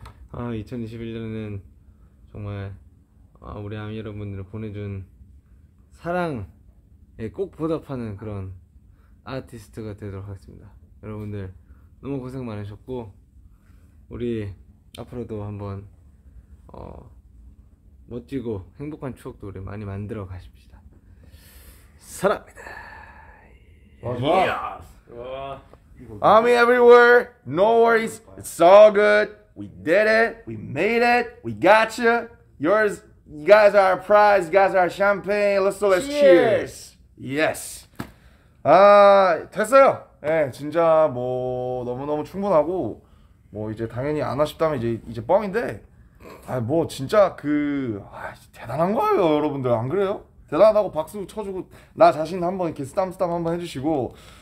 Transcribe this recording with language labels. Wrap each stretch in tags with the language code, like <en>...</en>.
<ko>아 2021년은 정말 우리 아미 여러분들을 보내준 사랑에 꼭 보답하는 그런 아티스트가 되도록 하겠습니다. 여러분들 너무 고생 많으셨고 우리 앞으로도 한번 멋지고 행복한 추억도 우리 많이 만들어 가십시다. 사랑합니다. 와, 와.</ko> <en>아미 everywhere, no worries, it's all good. We did it, we made it, we got you. Yours, you guys are our prize, you guys are our champagne. Let's cheers. Yes.</en> <ko>아 됐어요. 예, 네, 진짜 뭐 너무 너무 충분하고 뭐 이제 당연히 안 아쉽다면 이제 뻥인데 아 뭐 진짜 그 대단한 거예요, 여러분들 안 그래요? 대단하다고 박수 쳐주고 나 자신 한번 이렇게 쓰담쓰담 한번 해주시고.</ko>